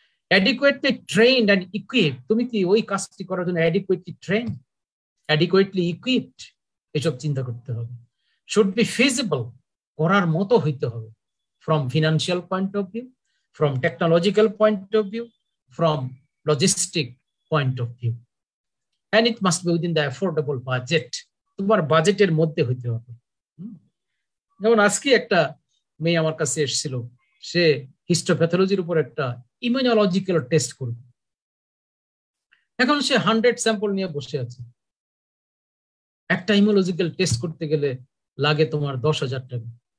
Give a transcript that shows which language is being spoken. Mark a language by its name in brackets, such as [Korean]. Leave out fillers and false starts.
[English] adequately trained and equip, [Bangla] তুমি কি ওই কাজটি করার জন্য [English] adequately train, adequately equipped, [Bangla] এসব চিন্তা করতে হবে। [English] should be feasible, [Bangla] করার মতো হইতে হবে, [English] From financial point of view, from technological point of view, from logistic point of view. And it must be within the affordable budget. [Bangla] তোমার বাজেটের মধ্যে হইতে হবে। যেমন আজকে একটা মেয়ে আমার কাছে এসেছিল, সে হিস্টোপ্যাথোলজির উপর একটা ইমিউনোলজিক্যাল টেস্ট করবে। এখন সে 100 স্যাম্পল নিয়ে বসে আছে। একটা ইমিউনোলজিক্যাল টেস্ট করতে গেলে লাগে তোমার 10,000 টাকা।